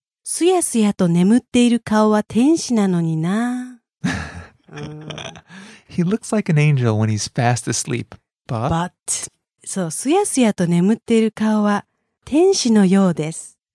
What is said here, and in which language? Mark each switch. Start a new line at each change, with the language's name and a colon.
Japanese: すやすやと眠っている顔は天使なのにな.
English: He looks like an angel when he's fast asleep, but... But...
Japanese: So, すやすやと眠っている顔は天使のようです.